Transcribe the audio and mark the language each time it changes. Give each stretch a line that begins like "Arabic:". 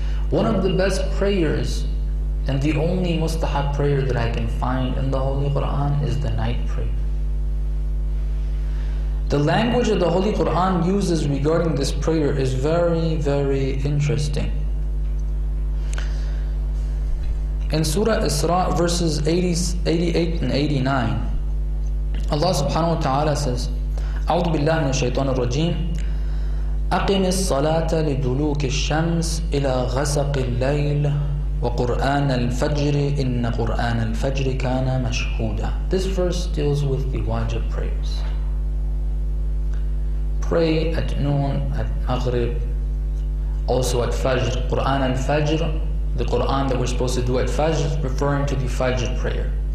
English: One of the best prayers and the only mustahab prayer that I can find in the Holy Quran is the night prayer. The language that the Holy Quran uses regarding this prayer is very, very interesting. In Surah Isra, verses 88 and 89, Allah subhanahu wa ta'ala says,
Arabic: أعوذ بالله من الشيطان الرجيم أقم الصلاة لدلوك الشمس إلى غسق الليل وقرآن الفجر إن قرآن الفجر كان مشهودا.
English: This verse deals with the wajib prayers. Pray at noon, at Maghrib, also at Fajr. Quran al-Fajr, the Quran that we're supposed to do at Fajr, referring to the Fajr prayer.